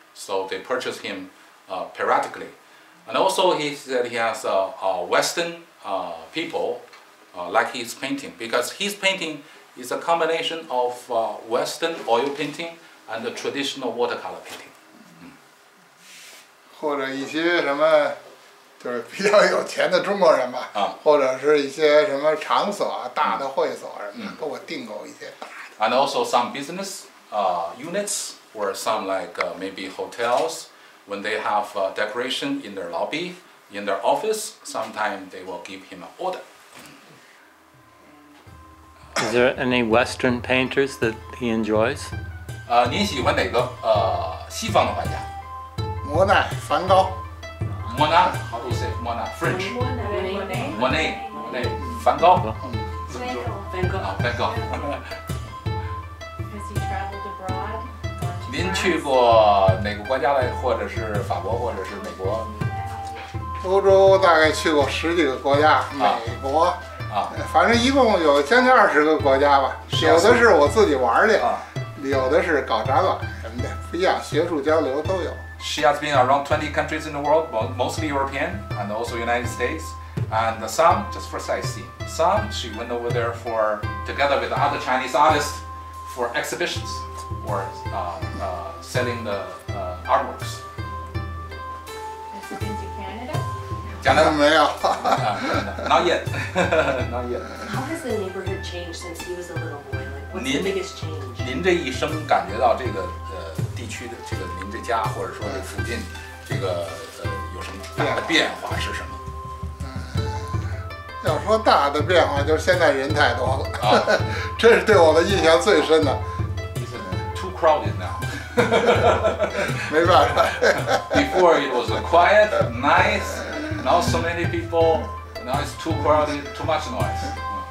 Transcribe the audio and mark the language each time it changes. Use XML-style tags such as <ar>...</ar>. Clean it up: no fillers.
<en>So they purchase him periodically. And also he said he has Western people like his painting, because his painting is a combination of Western oil painting and the traditional watercolor painting.</en> <zh>或者一些什么，就是比较有钱的中国人吧，或者是一些什么场所啊，大的会所什么，给我订购一些大的。</zh> <en>And also some business units or some like maybe hotels, when they have decoration in their lobby, in their office, sometimes they will give him an order. Is there any Western painters that he enjoys?</en> <zh>您喜欢哪个西方的画家？莫奈、梵高。莫奈</zh> <en>，How do you say 莫奈 ？French。</en> <zh>莫奈。莫奈。梵高。梵高。梵高。</zh> <en>Has he traveled abroad?</en> <zh>您去过哪个国家来，或者是法国，或者是美国？欧洲大概去过十几个国家，美国。反正一共有将近20个国家吧，有的是我自己玩的。有的是搞展览什么的，不一样，学术交流都有。</zh> <en>She has been around 20 countries in the world, mostly European and also United States. And some, just for sightseeing, some she went over there for, together with other Chinese artists, for exhibitions or selling the artworks. Has she been to Canada? Canada? No. Not yet. How has the neighborhood changed since he was a little boy? What's the biggest change?</en> <zh>您这一生感觉到这个地区的这个您这家或者说这附近这个有什么大的变化是什么？要说大的变化就是现在人太多了，啊，这是对我的印象最深的。</zh> <en>It's too crowded now.</en> <zh>没办法。</zh> <en>Before it was quiet, nice, not so many people. Now it's too crowded, too much noise.</en>